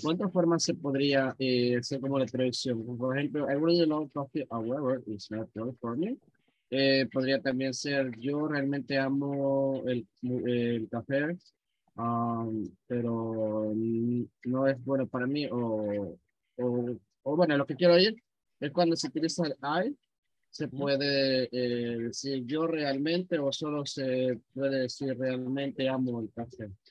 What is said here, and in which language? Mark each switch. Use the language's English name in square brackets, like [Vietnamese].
[Spanish] ¿En cuántas formas se podría hacer como la traducción? Por ejemplo, [English] I really love coffee, however, it's not good for me. [Spanish] Podría también ser, yo realmente amo el café, pero no es bueno para mí. O bueno, lo que quiero decir es cuando se utiliza el I, se puede decir yo realmente, o solo se puede decir realmente amo el café.